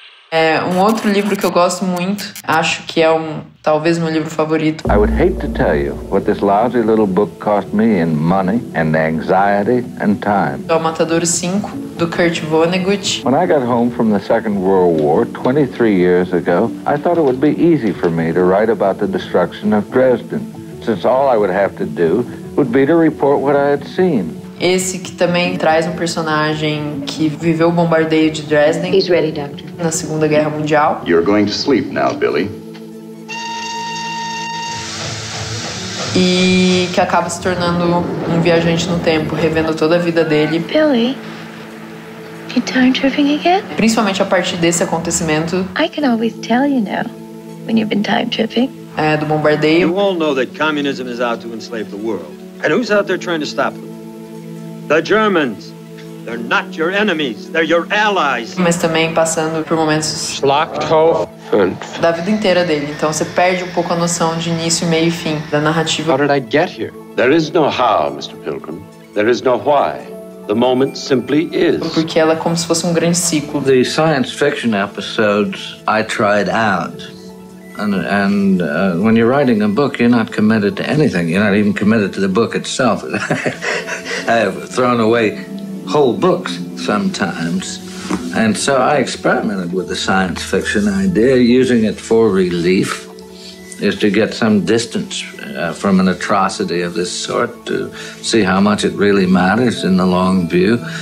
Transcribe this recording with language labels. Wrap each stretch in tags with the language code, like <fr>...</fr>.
<pt>É, um outro livro que eu gosto muito, acho que é talvez meu livro favorito.</pt> <en>I would hate to tell you what this lousy little book cost me in money and anxiety and time.</en> <pt>É o Matador 5, do Kurt Vonnegut.</pt> <en>When I got home from the Second World War 23 years ago, I thought it would be easy for me to write about the destruction of Dresden, since all I would have to do would be to report what I had seen.</en> <pt>Esse que também traz um personagem que viveu o bombardeio de Dresden.</pt> <en>He's ready, doctor.</en> <pt>Na Segunda Guerra Mundial.</pt> <en>You're going to sleep now, Billy.</en> <pt>E que acaba se tornando um viajante no tempo, revendo toda a vida dele.</pt> <en>Billy, you time tripping again?</en> <pt>Principalmente a partir desse acontecimento.</pt> <en>I can always tell you now when you've been time tripping.</en> <pt>É, do bombardeio.</pt> <en>You all know that communism is out to enslave the world. And who's out there trying to stop them? The Germans, they're not your enemies, they're your allies.</en> <pt>Mas também passando por momentos</pt> <de>Schlachthof.</de> <pt>Da vida inteira dele. Então você perde um pouco a noção de início, meio e fim da narrativa.</pt> <en>How did I get here? There is no how, Mr. Pilgrim. There is no why. The moment simply is.</en> <pt>Porque ela é como se fosse um grande ciclo.</pt> <en>The science fiction episodes I tried out. And when you're writing a book, you're not committed to anything. You're not even committed to the book itself. I have thrown away whole books sometimes. And so I experimented with the science fiction idea, using it for relief, is to get some distance from an atrocity of this sort, to see how much it really matters in the long view.</en>